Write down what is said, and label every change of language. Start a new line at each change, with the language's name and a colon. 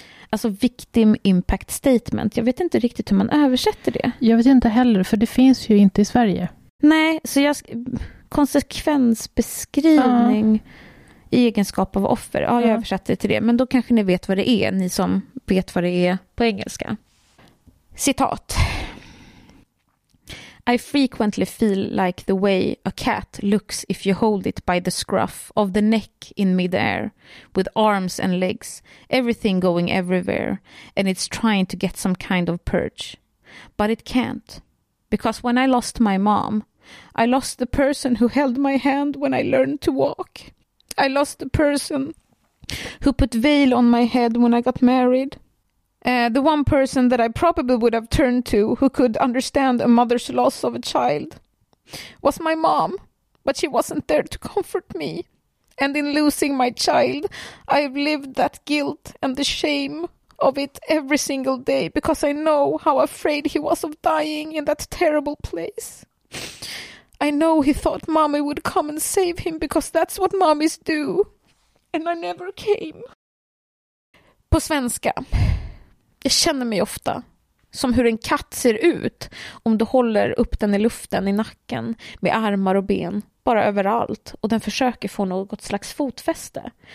Swedish: Alltså
English: victim impact statement.
Swedish: Jag vet inte riktigt hur man översätter det. Jag vet inte heller, för det finns ju inte i Sverige. Nej, så jag konsekvensbeskrivning i egenskap av offer. Ja, jag översätter till det. Men då kanske ni vet vad det är, ni som vet vad det är på engelska. Citat.
English: I frequently feel like the way a cat looks if you hold it by the scruff of the neck in midair, with arms and legs, everything going everywhere, and it's trying to get some kind of perch. But it can't. Because when I lost my mom, I lost the person who held my hand when I learned to walk. I lost the person who put veil on my head when I got married. The one person that I probably would have turned to who could understand a mother's loss of a child was my mom, but she wasn't there to comfort me. And in losing my child, I've lived that guilt and the shame of it every single day because I know how afraid he was of dying in that terrible place. I know he thought mommy would come and save him because that's what mommies do. And I never came.
Swedish: På svenska. Jag känner mig ofta Som hur en katt ser ut om du håller upp den i luften i nacken med armar och ben, bara överallt, och den försöker få något slags fotfäste.